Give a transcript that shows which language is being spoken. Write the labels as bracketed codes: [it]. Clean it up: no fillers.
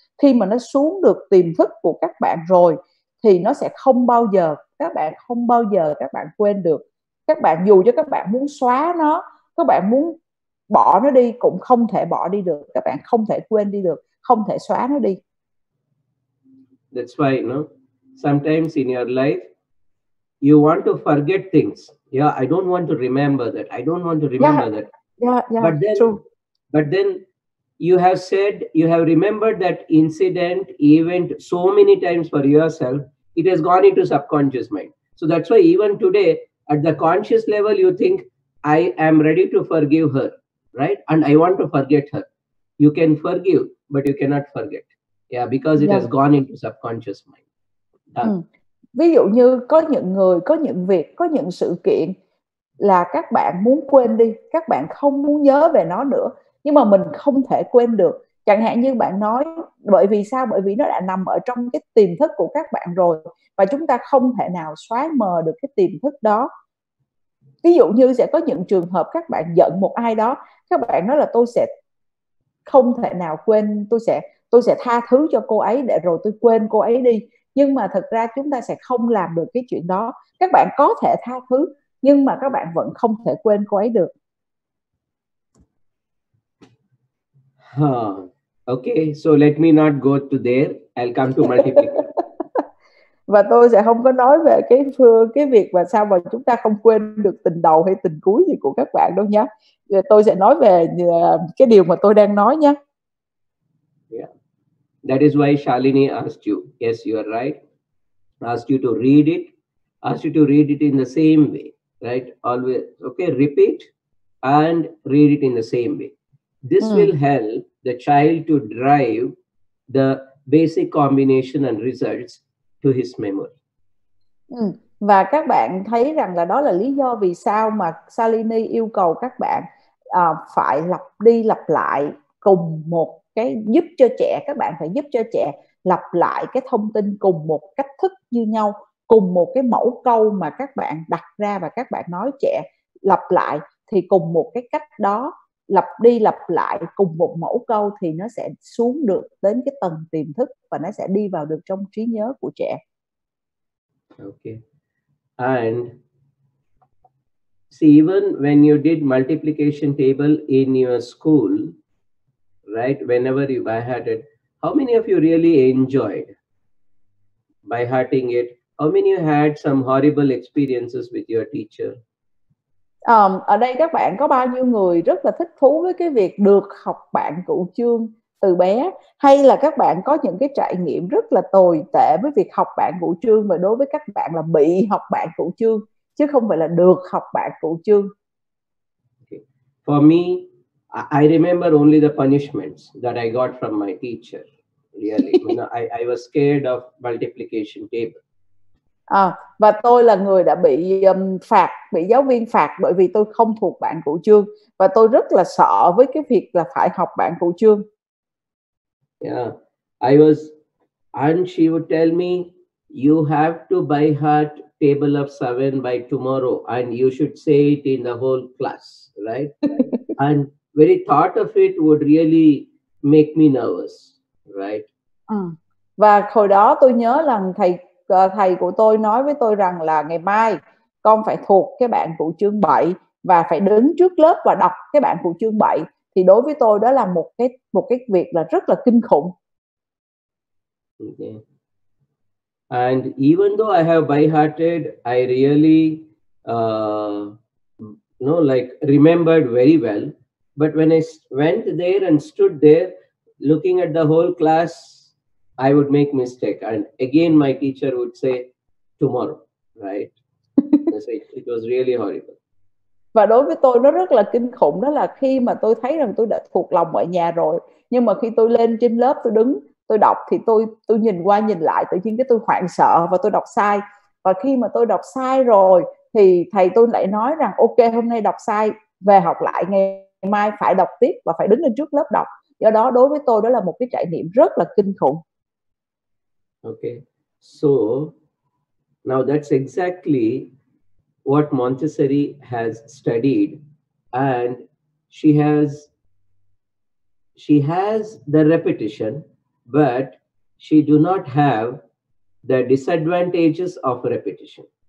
[vi] Khi mà nó xuống được tiềm thức của các bạn rồi thì nó sẽ không bao giờ, các bạn không bao giờ các bạn quên được. Các bạn dù cho các bạn muốn xóa nó, các bạn muốn bỏ nó đi cũng không thể bỏ đi được. Các bạn không thể quên đi được, không thể xóa nó đi. [en] That's why, you know, sometimes in your life you want to forget things. Yeah, I don't want to remember that. I don't want to remember that. Yeah, yeah. But then, true. But then you have said, you have remembered that incident, event so many times for yourself, it has gone into subconscious mind. So that's why even today, at the conscious level, you think, I am ready to forgive her, right? And I want to forget her. You can forgive, but you cannot forget. Yeah, because it has gone into subconscious mind. [vi] Ví dụ như có những người, có những việc, có những sự kiện là các bạn muốn quên đi, các bạn không muốn nhớ về nó nữa, nhưng mà mình không thể quên được. Chẳng hạn như bạn nói, bởi vì sao? Bởi vì nó đã nằm ở trong cái tiềm thức của các bạn rồi, và chúng ta không thể nào xóa mờ được cái tiềm thức đó. Ví dụ như sẽ có những trường hợp các bạn giận một ai đó, các bạn nói là tôi sẽ không thể nào quên, tôi sẽ tha thứ cho cô ấy để rồi tôi quên cô ấy đi. Nhưng mà thật ra chúng ta sẽ không làm được cái chuyện đó. Các bạn có thể tha thứ, nhưng mà các bạn vẫn không thể quên cô ấy được. [en] Okay, so let me not go to there. I'll come to multiplication. [vi] Và tôi sẽ không có nói về cái việc mà sao mà chúng ta không quên được tình đầu hay tình cuối gì của các bạn đâu nhá. Tôi sẽ nói về cái điều mà tôi đang nói nhá. [en] That is why Shalini asked you. Yes, you are right. Asked you to read it. Asked you to read it in the same way. Right? Always. Okay, repeat and read it in the same way. This will help the child to drive the basic combination and results to his memory. [vi] Và các bạn thấy rằng là đó là lý do vì sao mà Shalini yêu cầu các bạn phải lặp đi lặp lại cùng một cái giúp cho trẻ, các bạn phải giúp cho trẻ lặp lại cái thông tin cùng một cách thức như nhau, cùng một cái mẫu câu mà các bạn đặt ra và các bạn nói trẻ lặp lại, thì cùng một cái cách đó lặp đi lặp lại cùng một mẫu câu thì nó sẽ xuống được đến cái tầng tiềm thức và nó sẽ đi vào được trong trí nhớ của trẻ. [en] Okay. And see, even when you did multiplication table in your school, right, whenever you byhearted, how many of you really enjoyed byhearting it? How many you had some horrible experiences with your teacher? [vi] Ở đây các bạn có bao nhiêu người rất là thích thú với cái việc được học bảng cựu chương từ bé, hay là các bạn có những cái trải nghiệm rất là tồi tệ với việc học bảng cựu chương, và đối với các bạn là bị học bảng cựu chương chứ không phải là được học bảng cựu chương? [en] For me, I remember only the punishments that I got from my teacher. Really, I was scared of multiplication table. [vi] Và tôi là người đã bị phạt, bị giáo viên phạt bởi vì tôi không thuộc bảng cựu chương, và tôi rất là sợ với cái việc là phải học bảng cựu chương. [en] Yeah, I was, and she would tell me, you have to by heart table of seven by tomorrow, and you should say it in the whole class, right? And very thought of it would really make me nervous, right? [vi] Và hồi đó tôi nhớ là thầy của tôi nói với tôi rằng là ngày mai con phải thuộc cái bảng cựu chương 7 và phải đứng trước lớp và đọc cái bảng cựu chương 7, thì đối với tôi đó là một cái việc là rất là kinh khủng. [en] Okay. And even though I have by hearted, I really like remembered very well. But when I went there and stood there looking at the whole class, I would make mistake. And again, my teacher would say, tomorrow, right? It was really horrible. [vi] Và đối với tôi nó rất là kinh khủng, đó là khi mà tôi thấy rằng tôi đã thuộc lòng ở nhà rồi, nhưng mà khi tôi lên trên lớp tôi đứng tôi đọc thì tôi nhìn qua nhìn lại tự nhiên cái tôi hoảng sợ và tôi đọc sai. Và khi mà tôi đọc sai rồi thì thầy tôi lại nói rằng ok, hôm nay đọc sai, về học lại ngày mai phải đọc tiếp và phải đứng lên trước lớp đọc. Do đó đối với tôi đó là một cái trải nghiệm rất là kinh khủng. [en] Okay, so now that's exactly what Montessori has studied, and she has the repetition, but she do not have the disadvantages of repetition.